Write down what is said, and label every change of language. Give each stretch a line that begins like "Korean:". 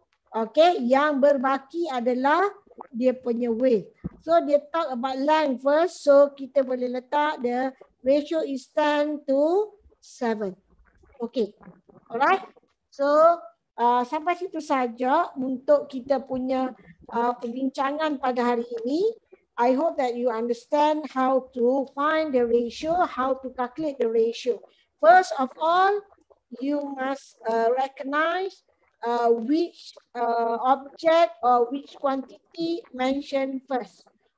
Malay: Okay, yang berbaki adalah dia punya width.
English: So, dia talk about length first. So,
Malay: kita boleh letak
English: the ratio is 10 to 7. Okay, alright.
Malay: So, sampai situ saja untuk kita punya perbincangan pada hari ini.
English: I hope that you understand how to find the ratio, how to calculate the ratio. First of all, you must recognize which object or which quantity mentioned first.